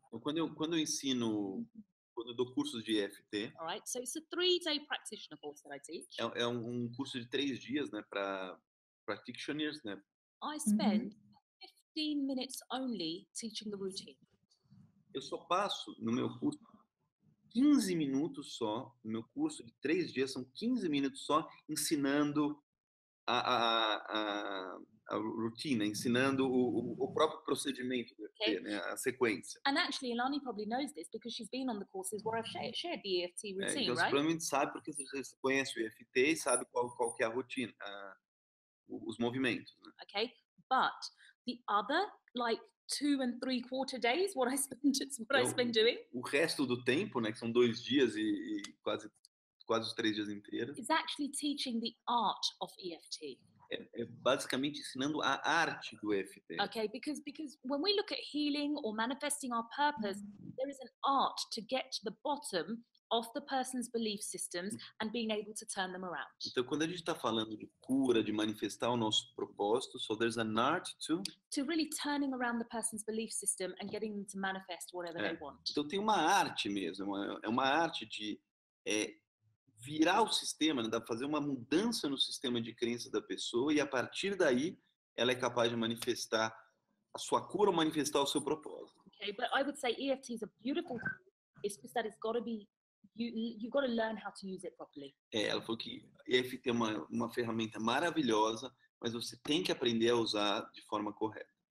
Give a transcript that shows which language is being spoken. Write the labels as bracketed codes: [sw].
[pt] Quando eu ensino, quando eu dou cursos de EFT. [en] All right, so it's a 3-day practitioner course that I teach. [pt] É um curso de 3 dias, né, para practitioners, né? [en] I spend 15 minutes only teaching the routine. [pt] Eu só passo no meu curso 15 minutos só, no meu curso de 3 dias, são 15 minutos só ensinando a rotina, ensinando o próprio procedimento, okay, né, a sequência. [en] And actually, Ilani probably knows this because she's been on the courses where I've shared the EFT routine, right? [pt] Então, você provavelmente sabe, porque você conhece o EFT e sabe qual que é a rotina, os movimentos. Né? [en] Okay, but the other, like, 2 3/4 days, what I spend doing. [pt] O resto do tempo, né, que são 2 dias e quase os 3 dias inteiros. [en] Is actually teaching the art of EFT. [pt] É basicamente ensinando a arte do EFT. [en] Okay, because when we look at healing or manifesting our purpose, there is an art to get to the bottom of the person's belief systems and being able to turn them around. [pt] Então, quando a gente está falando de cura, de manifestar o nosso propósito, [en] so there's an art to... To really turning around the person's belief system and getting them to manifest whatever they want. [pt] Então, tem uma arte mesmo, é uma arte de... virar o sistema, né? Dá pra fazer uma mudança no sistema de crença da pessoa e a partir daí ela é capaz de manifestar a sua cura ou manifestar o seu propósito. [en] Okay, but I would say EFT is a beautiful tool. It's just that it's got to be you've got to learn how to use it properly. [pt] Ela falou que EFT é uma ferramenta maravilhosa, mas você tem que aprender a usar de forma correta.